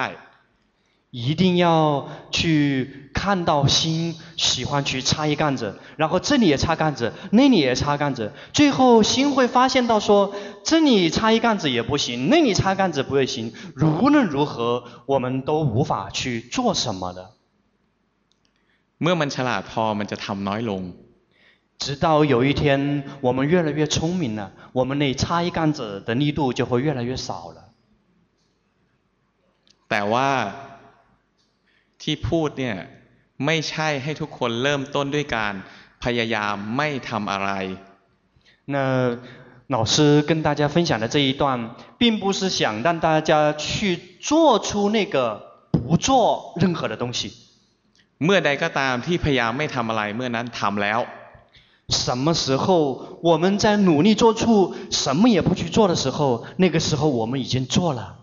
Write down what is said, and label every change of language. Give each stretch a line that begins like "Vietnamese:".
Chinese: 一定要去看到心喜欢去插一杆子然后这里也插杆子那里也插杆子最后心会发现到说这里插一杆子也不行那里插杆子不会行无论如何我们都无法去做什么的
Thai: เมื่อมันฉลาดพอมันจะทำน้อยลง
Chinese: 直到有一天我们越来越聪明了我们那插一杆子的力度就会越来越少了
Thai: แต่ว่าที่พูดเนี่ยไม่ใช่ให้ทุกคนเริ่มต้นด้วยการพยายามไม่ทำอะไร
Chinese: 那老师跟大家分享的这一段并不是想让大家去做出那个不做任何的东西
Thai: เมื่อใดก็ตามที่พยายามไม่ทำอะไรเมื่อนั้นทำแล้ว
Chinese: 什么时候我们在努力做出什么也不去做的时候那个时候我们已经做了